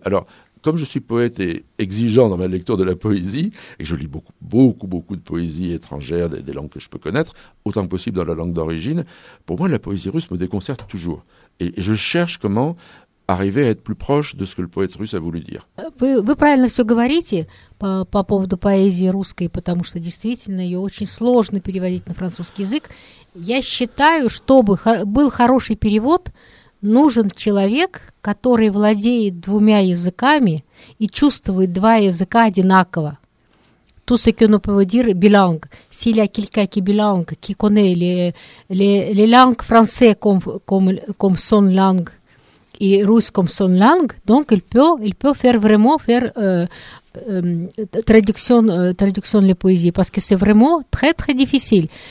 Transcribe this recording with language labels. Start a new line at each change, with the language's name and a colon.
French: Alors, comme je suis poète et exigeant dans ma lecture de la poésie, et je lis beaucoup, beaucoup, beaucoup de poésie étrangère, des langues que je peux connaître, autant que possible dans la langue d'origine, pour moi, la poésie russe me déconcerte toujours. Et je cherche comment arriver à être plus proche de ce que le poète russe a voulu dire.
Russian: Вы правильно все говорите по поводу поэзии русской, потому что действительно ее очень сложно переводить на французский язык. Я считаю, чтобы был хороший перевод, нужен человек, который владеет двумя языками и чувствует два языка одинаково.
French: Tout ce que nous pouvons dire bilingue. S'il y a quelqu'un qui est bilingue, qui connaît les langues françaises comme son langue, et russe comme son langue, donc il peut faire vraiment traduction de la poésie, parce que c'est vraiment très très difficile.